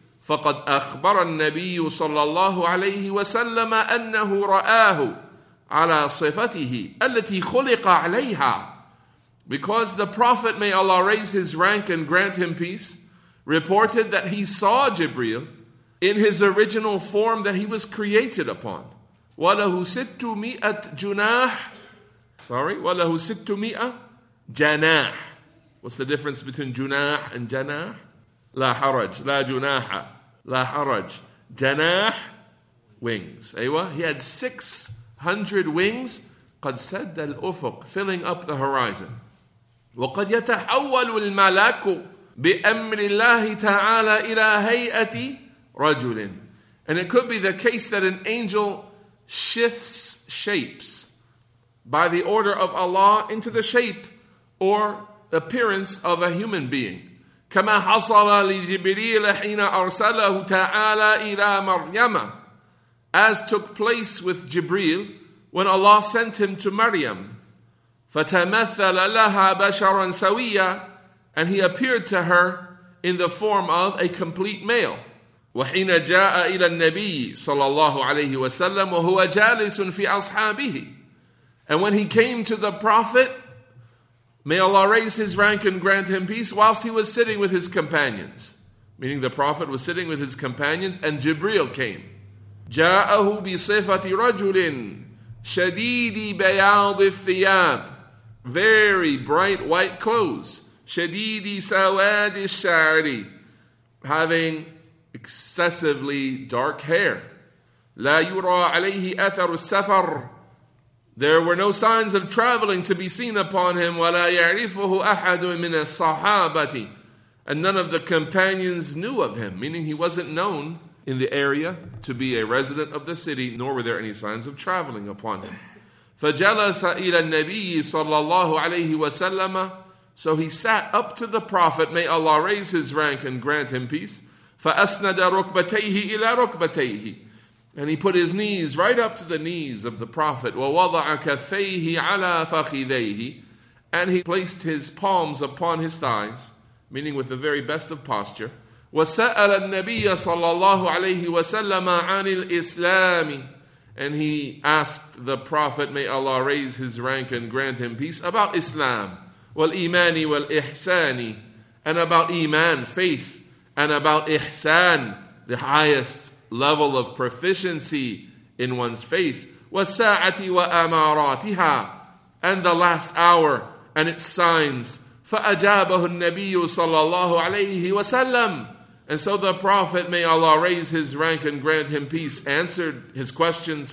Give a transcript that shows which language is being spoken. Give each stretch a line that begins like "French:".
Arabic: فَقَدْ أَخْبَرَ النَّبِيُّ صَلَّى اللَّهُ عَلَيْهِ وَسَلَّمَ أَنَّهُ رَآهُ عَلَى صِفَتِهِ أَلَّتِي خُلِقَ عَلَيْهَا.
English: Because the Prophet, may Allah raise his rank and grant him peace, reported that he saw Jibreel in his original form that he was created upon.
Arabic: وَلَهُ سِتُّ مِئَةْ جُنَاحٍ.
English: Sorry,
Arabic: وَلَهُ سِتُّ مِئَةْ جَنَاحٍ.
English: What's the difference between junah and janah?
Arabic: لا حرج, لا جناح, لا حرج. Janah, wings.
English: Aywa, he had 600 wings.
Arabic: قد سد الأفق,
English: filling up the horizon.
Arabic: وقد يتحول الملك بأمر الله تعالى إلى هيئة رجل.
English: And it could be the case that an angel shifts shapes by the order of Allah into the shape or appearance of a human being.
Arabic: كَمَا حَصَلَ لِجِبْرِيلَ حِينَ أَرْسَلَهُ تَعَالَى إِلَى مَرْيَمَ,
English: as took place with Jibreel when Allah sent him to Maryam.
Arabic: فَتَمَثَّلَ لَهَا بَشَرًا سَوِيًّا,
English: and he appeared to her in the form of a complete male.
Arabic: وَحِينَ جَاءَ إِلَى النَّبِيِّ صَلَى اللَّهُ عَلَيْهِ وَسَلَّمُ وَهُوَ جَالِسٌ فِي أَصْحَابِهِ,
English: and when he came to the Prophet, may Allah raise his rank and grant him peace, whilst he was sitting with his companions. Meaning the Prophet was sitting with his companions and Jibreel came.
Arabic: جَاءَهُ بِصِفَةِ رَجُلٍ شَدِيدِ بَيَاضِ الثِّيَابِ,
English: very bright white clothes.
Arabic: شَدِيدِ سَوَادِ الشَّعْرِ,
English: having excessively dark hair.
Arabic: لَا يُرَى عَلَيْهِ أَثَرُ السَّفَرِ,
English: there were no signs of traveling to be seen upon him.
Arabic: وَلَا يَعْرِفُهُ أَحَدٌ مِنَ الصَّحَابَةِ,
English: and none of the companions knew of him. Meaning he wasn't known in the area to be a resident of the city, nor were there any signs of traveling upon him.
Arabic: فَجَلَسَ إِلَى النَّبِيِّ صَلَّى اللَّهُ عَلَيْهِ وَسَلَّمَ,
English: so he sat up to the Prophet, may Allah raise his rank and grant him peace.
Arabic: فَأَسْنَدَ رُكْبَتَيْهِ إِلَى رُكْبَتَيْهِ,
English: and he put his knees right up to the knees of the Prophet.
Arabic: وَوَضَعَ كَفَّيْهِ عَلَى فَخِذَيْهِ,
English: And he placed his palms upon his thighs, meaning with the very best of posture.
Arabic: وسأل النبي صلى الله عليه وسلم عن الإسلام.
English: And he asked the Prophet, may Allah raise his rank and grant him peace, about Islam.
Arabic: والإيمان والإحسان.
English: And about Iman, faith. And about Ihsan, the highest level of proficiency in one's faith.
Arabic: والساعة وأماراتها.
English: And the last hour and its signs.
Arabic: فأجابه النبي صلى الله عليه وسلم.
English: And so the Prophet, may Allah raise his rank and grant him peace, answered his questions.